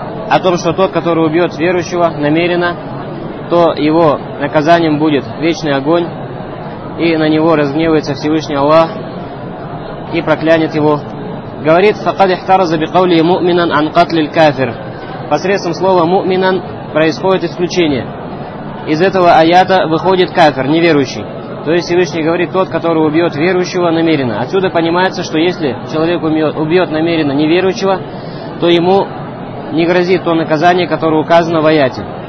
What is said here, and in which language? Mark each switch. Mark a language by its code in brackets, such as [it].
[ru] О том, что тот, который убьет верующего намеренно, то его наказанием будет вечный огонь, и на него разгневается Всевышний Аллах и проклянет его. Говорит, [ar] فقد احترز بقوله مؤمنا عن قتل الكافر. [ru] Посредством слова مؤمنا происходит исключение. Из этого аята выходит кафир, неверующий. То есть Всевышний говорит, тот, который убьет верующего намеренно. Отсюда понимается, что если человек убьет намеренно неверующего, то ему не грозит то наказание, которое указано в аяте.